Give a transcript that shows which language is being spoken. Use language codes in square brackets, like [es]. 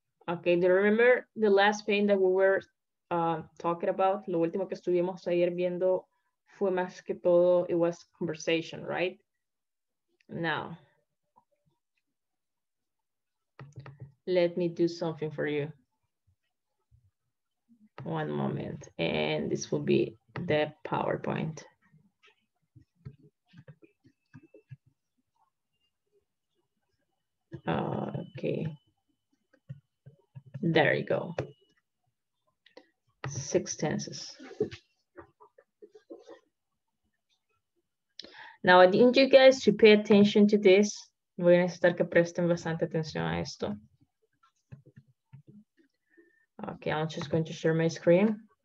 [en] Okay, do you remember the last pain that we were talking about? [es] Lo último que estuvimos ayer viendo fue más que todo, [en] it was conversation, right? Now, let me do something for you. One moment, and this will be the PowerPoint. Okay, there you go. Six tenses. Now, I need you guys to pay attention to this. [es] Voy a necesitar que presten bastante atención a esto. [en] Okay, I'm just going to share my screen.